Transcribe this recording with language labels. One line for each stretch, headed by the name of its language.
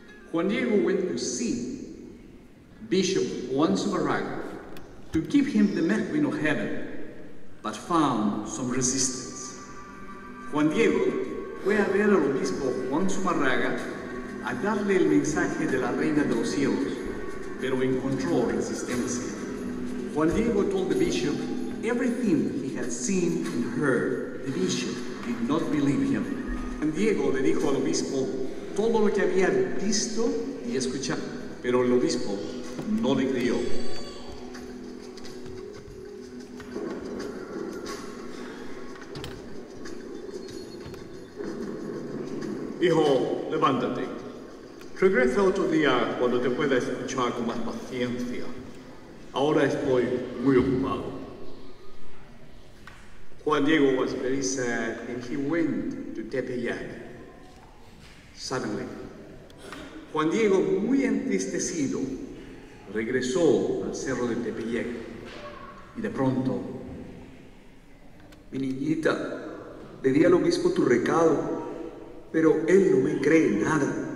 English: Juan Diego went to see Bishop Juan Zumarraga to give him the Mequin of Heaven, but found some resistance.
Spanish: Juan Diego fue a ver al obispo Juan Zumarraga a darle el mensaje de la Reina de los Cielos, pero encontró resistencia.
English: Juan Diego told the bishop everything he had seen and heard. The bishop did not believe him.
Spanish: Juan Diego le dijo al obispo todo lo que había visto y escuchado, pero el obispo no le creyó. Hijo, levántate. Regresa otro día cuando te pueda escuchar con más paciencia. Ahora estoy muy ocupado.
English: Juan Diego was very sad and he went to Tepeyac.
Spanish: Suddenly, Juan Diego, muy entristecido, regresó al cerro de Tepeyac. Y de pronto, mi niñita, le di al obispo tu recado, pero él no me cree nada.